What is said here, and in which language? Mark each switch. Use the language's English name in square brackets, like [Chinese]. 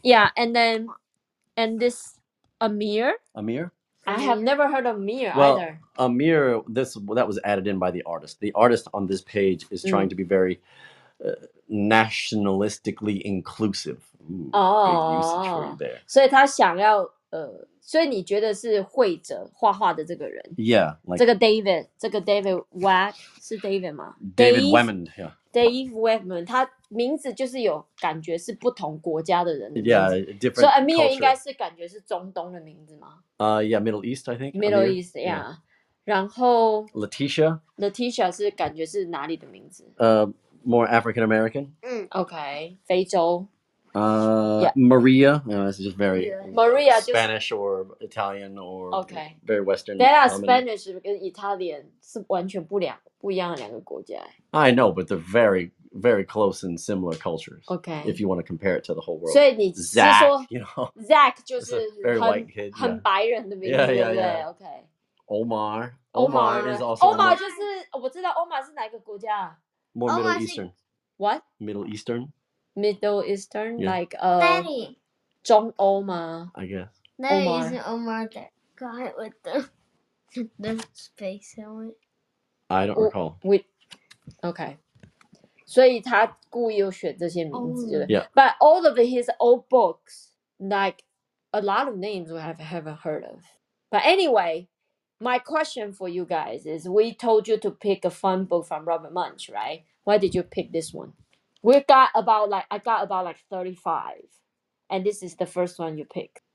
[English] Yeah, and then... And this Amir? I have never heard of Amir either. Well, Amir, that was added in by the artist. The artist on this page is trying to be very nationalistically inclusive. Ooh, oh. Big usage word there. [Chinese] 所以他想要所以你觉得是绘者画画的这个人 [English] ？Yeah， [Chinese] like, 这个 David， 这个 David Wack 是 David 吗 [English] ？David Wemond， yeah。 [Chinese] Dave Webman， 他名字就是有感觉是不同国家的人的名字。 [English] Yeah, different culture. [Chinese] So Amir 应该是感觉是中东的名字吗？ [English] Yeah, Middle East, I think. Middle East, yeah. Yeah. [Chinese] 然后 [English] Letitia. [Chinese] Letitia 是感觉是哪里的名字？ [English] More African American. [Chinese] Okay, 非洲。 [English] Yeah. Maria, you know, this is just very Maria, Spanish or Italian or okay, very Western. They are Spanish and Italian [Chinese] 是完全不一样的两个国家。 [English] I know, but they're very, very close and similar cultures. Okay, if you want to compare it to the whole world. [Chinese] 所以你是说 [English] Zach, you know, [Chinese] Zach 就是很 [English] very white kid, [Chinese] 很白人的名字，对不对 ？Okay, [English] Omar is also [Chinese] Omar 就是我知道 Omar 是哪个国家 [English] ？More Middle Eastern. What? Middle Eastern. Middle Eastern,、 yeah. like Danny, [Chinese] 中欧吗 [English] I guess. Danny is an Omar that guy with the space helmet. I don't recall. Wait, okay. [Chinese] 所以他故意又选这些名字、 [English] yeah. But all of his old books, like a lot of names we haven't heard of. But anyway, my question for you guys is: we told you to pick a fun book from Robert Munsch, right? Why did you pick this one? I got about 35, and this is the first one you picked.